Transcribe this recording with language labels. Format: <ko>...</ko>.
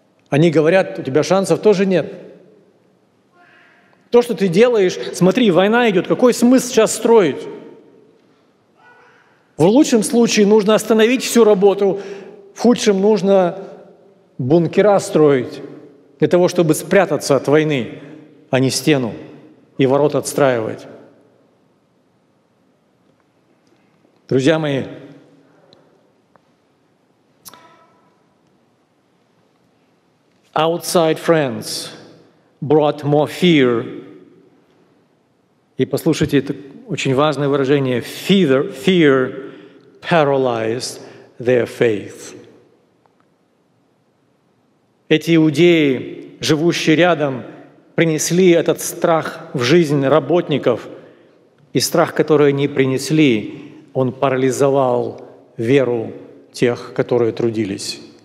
<ru>Они говорят, у тебя шансов тоже нет. То, что ты делаешь, смотри, война идет, какой смысл сейчас строить? В лучшем случае нужно остановить всю работу, в худшем нужно бункера строить для того, чтобы спрятаться от войны, а не стену и ворота отстраивать. Друзья мои,</ru> <en>outside friends brought more fear.</en> <ru>И послушайте, это очень важное выражение.</ru> <en>Fear paralyzed their faith.</en> <ru>Эти иудеи, живущие рядом, принесли этот страх в жизнь работников, и страх, который они принесли, он парализовал веру тех, которые трудились.</ru>